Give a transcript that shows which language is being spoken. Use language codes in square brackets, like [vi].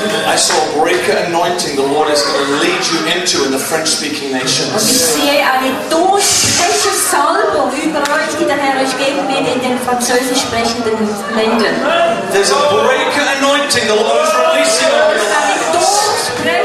[en] I saw breaker anointing the Lord is going to lead you into in the French-speaking nations. [de] Und ich sehe eine durchbrechende Salbung über euch, die der Herr euch geben wird in den französisch sprechenden Ländern. [en] There's a breaker anointing the Lord is releasing over you.